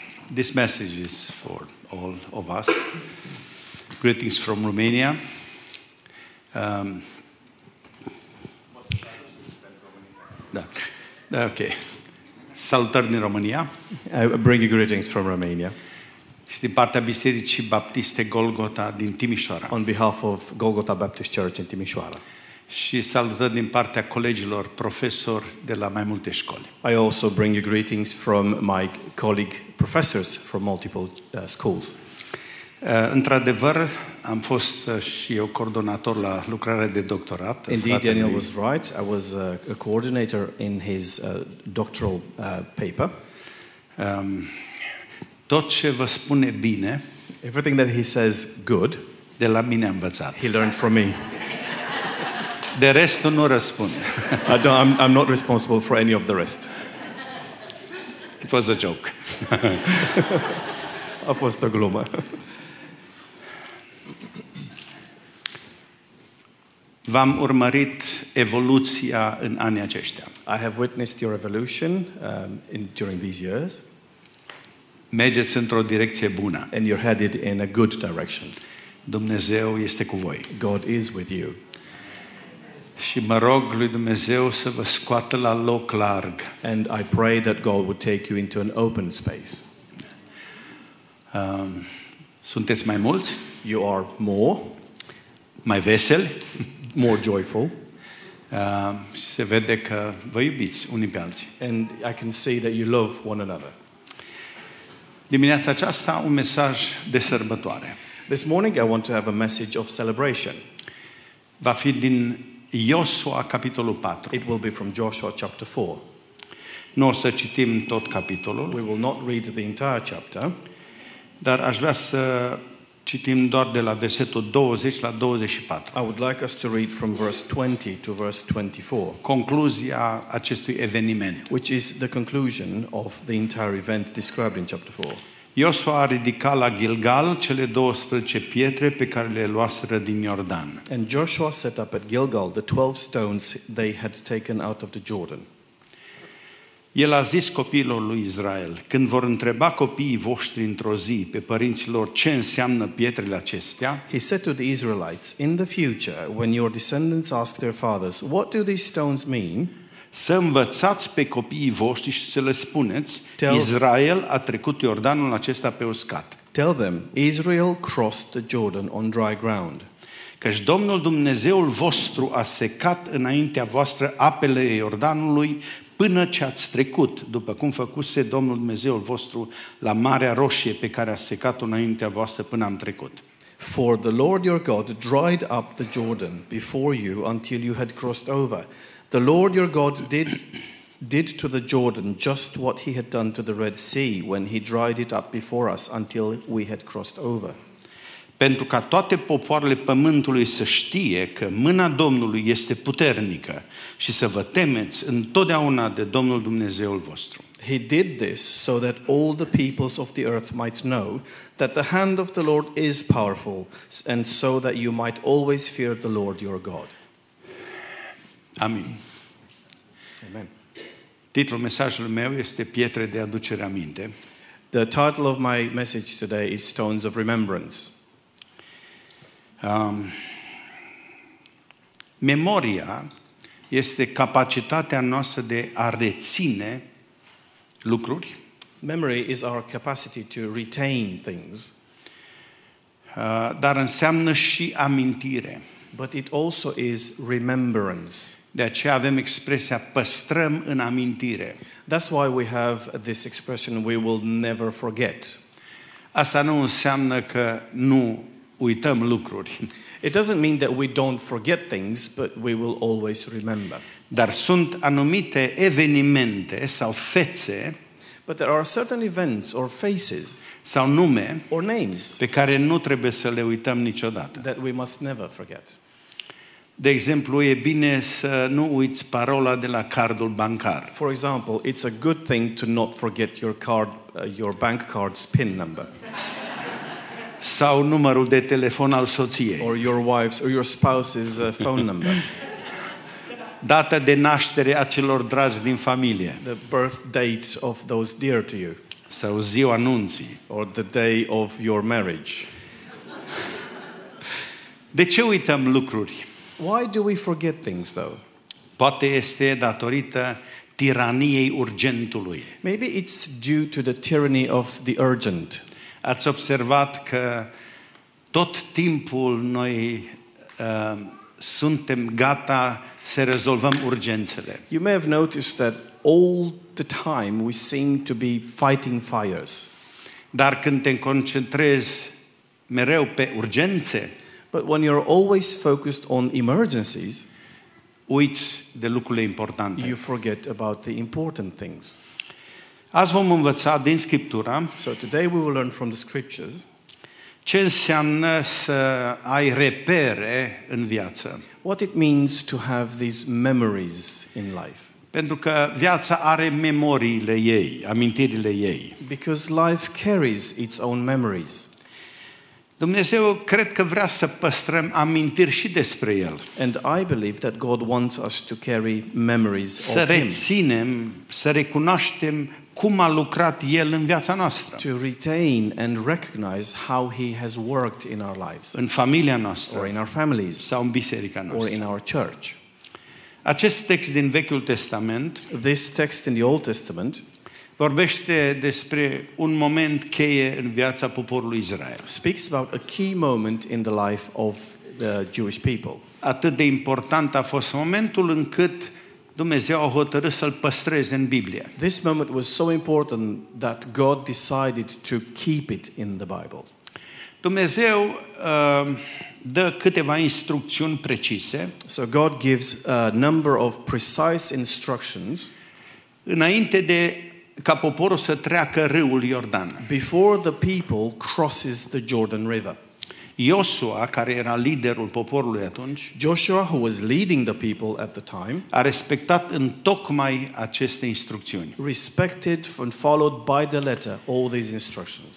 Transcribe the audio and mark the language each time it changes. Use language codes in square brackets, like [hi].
[en] this message is for all of us. Greetings from Romania. [ro] Okay. Salutări din România. [en] I bring you greetings from Romania. [ro] Și din partea Bisericii Baptiste Golgota din Timișoara. [en] On behalf of Golgota Baptist Church in Timișoara. [ro] Și salutări din partea colegilor profesori de la mai multe școli. [en] I also bring you greetings from my colleague professors from multiple schools. [ro] Într-adevăr, am fost și eu coordonator la lucrarea de doctorat. [en] Indeed, Daniel was right. I was a coordinator in his doctoral paper. [ro] Tot ce vă spune bine, [en] everything that he says good, [ro] de la mine a învățat. [en] He learned from me. [ro] De restul nu răspunde. [en] I'm not responsible for any of the rest. It was a joke. [ro] A fost o glumă. V-am urmărit evoluția în anii aceștia. [en] I have witnessed your evolution during these years. [ro] Mergeți într-o direcție bună. [en] And you're headed in a good direction. [ro] Dumnezeu este cu voi. [en] God is with you. [ro] Și mă rog lui Dumnezeu să vă scoată la loc larg. [en] And I pray that God would take you into an open space. [ro] Sunteți mai mulți? [en] You are more. [ro] Mai veseli? [en] More joyful. [ro] Și se vede că vă iubiți unii pe alții. [en] And I can see that you love one another. [ro] Dimineața aceasta un mesaj de sărbătoare. [en] This morning I want to have a message of celebration. [ro] Va fi din Iosua capitolul 4. [en] It will be from Joshua chapter 4. [ro] Nu o să citim tot capitolul. [en] We will not read the entire chapter. [ro] Dar aș vrea să citim doar de la versetul 20 la 24. [en] I would like us to read from verse 20 to verse 24. [ro] Concluzia acestui eveniment. [en] Which is the conclusion of the entire event described in chapter 4. [ro] Iosua a ridicat la Gilgal cele 12 pietre pe care le luaseră din Iordan. [en] And Joshua set up at Gilgal the 12 stones they had taken out of the Jordan. [ro] El a zis copiilor lui Israel, când vor întreba copiii voștri într-o zi pe părinților ce înseamnă pietrele acestea, [en] he said to the Israelites, in the future, when your descendants ask their fathers, what do these stones mean? [ro] Să învățați pe copiii voștri și să le spuneți, Israel a trecut Iordanul acesta pe uscat. [en] Tell them, Israel crossed the Jordan on dry ground. [ro] Căci Domnul Dumnezeul vostru a secat înaintea voastră apele Iordanului până ce ați trecut, după cum făcuse Domnul Dumnezeul vostru la Marea Roșie pe care a secat-o înaintea voastră până am trecut. [en] For the Lord your God dried up the Jordan before you until you had crossed over. The Lord your God did to the Jordan just what he had done to the Red Sea when he dried it up before us until we had crossed over. [ro] Pentru ca toate popoarele pământului să știe că mâna Domnului este puternică și să vă temeți întotdeauna de Domnul Dumnezeul vostru. [en] He did this so that all the peoples of the earth might know that the hand of the Lord is powerful and so that you might always fear the Lord your God. [ro] Amin. [en] Amen. [ro] Titlul mesajului meu este Pietre de aducere aminte. [en] The title of my message today is Stones of Remembrance. [ro] Memoria este capacitatea noastră de a reține lucruri. [en] Memory is our capacity to retain things. [ro] Dar înseamnă și amintire. [en] But it also is remembrance. [ro] De aceea avem expresia păstrăm în amintire. [en] That's why we have this expression we will never forget. [ro] Asta nu înseamnă că nu uităm lucruri. [en] It doesn't mean that we don't forget things, but we will always remember. [ro] Dar sunt anumite evenimente sau fețe, [en] but there are certain events or faces, [ro] sau nume, [en] or names, [ro] pe care nu trebuie să le uităm niciodată. [en] That we must never forget. [ro] De exemplu, e bine să nu uiți parola de la cardul bancar. [en] For example, it's a good thing to not forget your card, your bank card's PIN number. [ro] Sau numărul de telefon al soției. [en] Or your wife's or your spouse's phone number. [ro] Data de naștere a celor dragi din familie. [en] The birth date of those dear to you. [ro] Sau ziua nunții. [en] Or the day of your marriage. [ro] De ce uităm lucruri? [en] Why do we forget things though? [ro] Poate este datorită tiraniei urgentului. [en] Maybe it's due to the tyranny of the urgent. [ro] Ați observat că tot timpul noi suntem gata să rezolvăm urgențele. [en] You may have noticed that all the time we seem to be fighting fires. [ro] Dar când te concentrezi mereu pe urgențe, [en] but when you're always focused on emergencies, [ro] uiți de lucrurile importante. [en] You forget about the important things. [ro] Azi vom învăța din Scriptura. [en] So today we will learn from the scriptures. [ro] Ce înseamnă să ai repere în viață? [en] What it means to have these memories in life. [ro] Pentru că viața are memoriile ei, amintirile ei. [en] Because life carries its own memories. [ro] Dumnezeu cred că vrea să păstrăm amintiri și despre El. [en] And I believe that God wants us to carry memories of Him. [ro] Să reținem, să recunoaștem cum a lucrat El în viața noastră. [en] To retain and recognize how He has worked in our lives. [ro] În familia noastră. [en] Or in our families. [ro] Sau în biserica noastră. [en] Or in our church. [ro] Acest text din Vechiul Testament. [en] This text in the Old Testament. [ro] Vorbește despre un moment cheie în viața poporului Israel. [en] Speaks about a key moment in the life of the Jewish people. [ro] Atât de important a fost momentul încât Dumnezeu a hotărât să-l păstreze în Biblie. [en] This moment was so important that God decided to keep it in the Bible. [ro] Dumnezeu dă câteva instrucțiuni precise. [en] So God gives a number of precise instructions. [ro] Înainte de ca poporul să treacă râul Iordan. [en] Before the people crosses the Jordan River. [ro] Iosua, care era liderul poporului atunci, [en] Joshua, who was leading the people at the time, [ro] a respectat întocmai aceste instrucțiuni. [en] Respected and followed by the letter all these instructions.